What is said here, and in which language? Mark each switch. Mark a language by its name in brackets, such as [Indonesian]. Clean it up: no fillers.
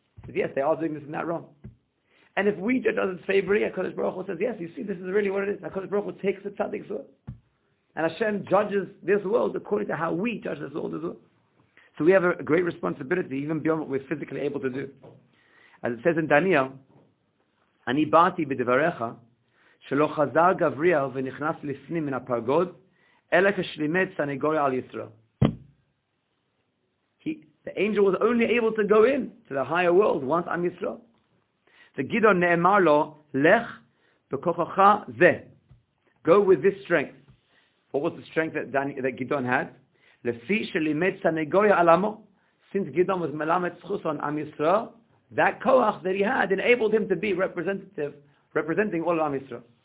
[English] He says, yes, they are doing this and that wrong. And if we judge others favorably, HaKadosh Baruch Hu says, yes, you see, this is really what it is. HaKadosh Baruch Hu takes the tzaddik's word. And Hashem judges this world according to how we judge this world as well. So we have a great responsibility, even beyond what we're physically able to do. As it says in Daniel, [Hebrew] אני באתי בדבריך שלא חזר גבריאל ונכנס לפנים מן הפרגוד אלא כשלימד סנגוריה על ישראל. [English] The angel was only able to go into the higher world once Am Yisrael. [Hebrew] וגדעון נאמר לו, לך Bekochacha ze. [English] Go with this strength. What was the strength that Gidon had? [Hebrew] Lefi shelimed sanegoya alamo. [English] Since Gidon was melamed tzchus on Am Yisrael, that koach that he had enabled him to be representative, representing all of Am Yisrael.